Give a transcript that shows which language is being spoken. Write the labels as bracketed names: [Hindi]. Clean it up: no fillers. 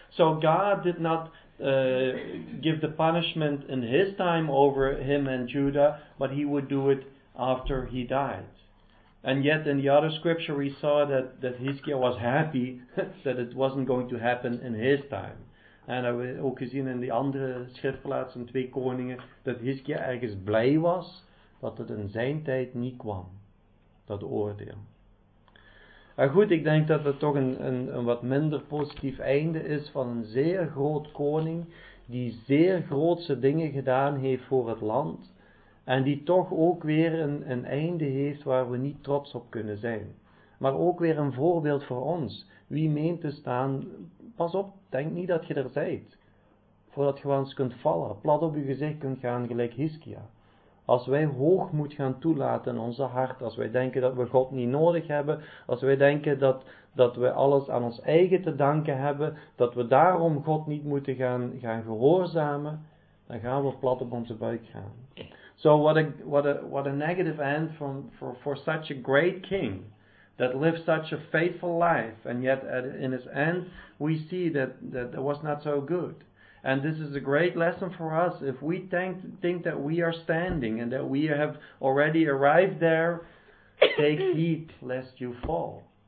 [English] So God did not give the punishment in his time over him and Judah, but he would do it after he died. And yet in the other scripture we saw that Hiskia was happy that it wasn't going to happen in his time. And we [Dutch] ook gezien [English] in the [Dutch] andere schriftplaatsen, 2 Koningen, dat Hiskia ergens blij was dat het in zijn tijd niet kwam, dat oordeel. Maar goed, ik denk dat het toch een wat minder positief einde is van een zeer groot koning, die zeer grootse dingen gedaan heeft voor het land, en die toch ook weer een einde heeft waar we niet trots op kunnen zijn. Maar ook weer een voorbeeld voor ons. Wie meent te staan, pas op, denk niet dat je er bent. Voordat je wel eens kunt vallen, plat op je gezicht kunt gaan, gelijk Hiskia. Als wij hoogmoed gaan toelaten in onze hart, als wij denken dat we God niet nodig hebben, als wij denken dat we alles aan ons eigen te danken hebben, dat we daarom God niet moeten gaan gehoorzamen, dan gaan we plat op onze buik gaan. [English] So what a negative end for such a great king that lived such a faithful life, and yet in his end we see that it was not so good. And this is a great lesson for us. If we think that we are standing and that we have already arrived there, take heed lest you fall.